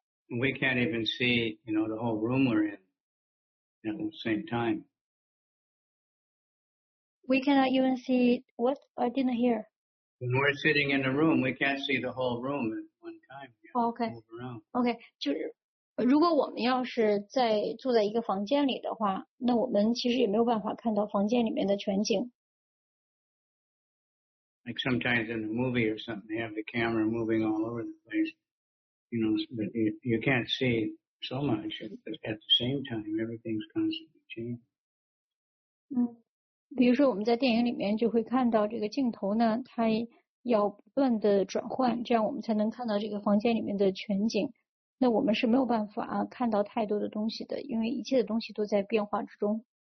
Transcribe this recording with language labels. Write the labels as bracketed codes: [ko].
[en] We can't even see, you know, the whole room we're in at the same time. We cannot even see what I didn't hear. When we're sitting in a room, we can't see the whole room at one time. Okay. Okay. [zh] 就是如果我们要是在坐在一个房间里的话, 那我们其实也没有办法看到房间里面的全景. [en] Like sometimes in a movie or something, they have the camera moving all over the place. You know, but you can't see so much. At the same time, everything's constantly changing. [zh] 比如说我们在电影里面就会看到这个镜头呢, 它要不断的转换，这样我们才能看到这个房间里面的全景。那我们是没有办法啊，看到太多的东西的，因为一切的东西都在变化之中。